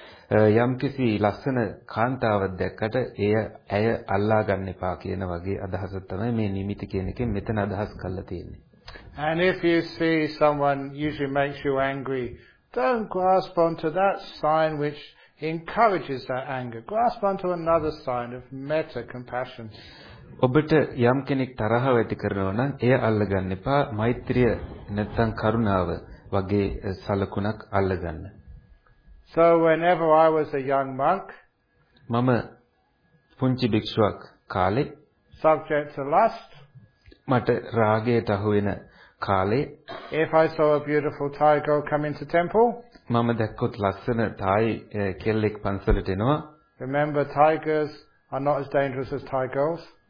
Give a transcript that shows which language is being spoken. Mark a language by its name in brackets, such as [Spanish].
[Sinhala] යම්කිසි ලස්සන කාන්තාවක් දැක්කට එය ඇය අල්ලා ගන්න එපා කියන වගේ අදහස තමයි මේ නිමිති කියන එකෙන් මෙතන අදහස් කරලා තියෙන්නේ. [English] And if you see someone usually makes you angry, don't grasp onto that sign which encourages that anger. Grasp onto another sign of metta, compassion. [Sinhala] ඔබට යම් කෙනෙක් තරහ ඇති කරනවා නම් එය අල්ලගන්න එපා. මෛත්‍රිය නැත්නම් කරුණාව වගේ සලකුණක් අල්ලගන්න. [English] So whenever I was a young monk, [Sinhala] මම පුංචි භික්ෂුවක් කාලේ, [English] subject to lust, [Sinhala] මට රාගයට අහු වෙන කාලේ, [English] if I saw a beautiful Thai girl come into temple, [Sinhala] මම දැක්කොත් ලස්සන Thai කෙල්ලෙක් පන්සලට එනවා, [English] remember tigers are not as dangerous as Thai girls.